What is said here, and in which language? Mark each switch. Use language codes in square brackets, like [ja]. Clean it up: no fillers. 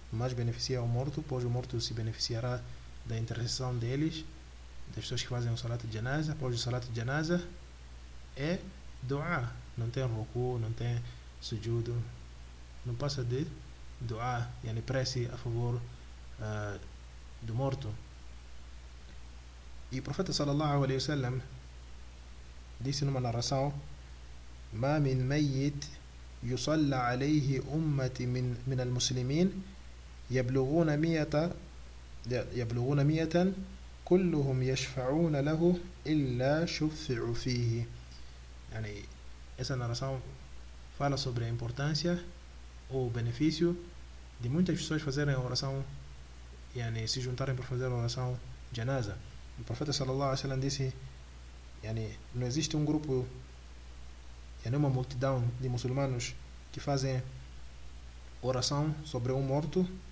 [pt] Mais beneficia o morto, pois o morto se beneficiará da intercessão deles, das pessoas que fazem o salato de janaza, pois o salato de janaza é doa. Não tem ruku, não tem sujudo, não passa de doa, prece a favor do morto. E o profeta sallallahu alaihi wasallam disse numa narração: [ar] ما من ميت يصلى عليه أمتي من المسلمين يبلغون مية كلهم يشفعون له إلا شفع فيه. [pt] Essa narração fala sobre a importância ou benefício de muitas pessoas fazerem a oração, se juntarem para fazer a oração janaza. O profeta sallallahu alaihi wasallam disse, não existe um grupo, uma multidão de muçulmanos que fazem oração sobre um morto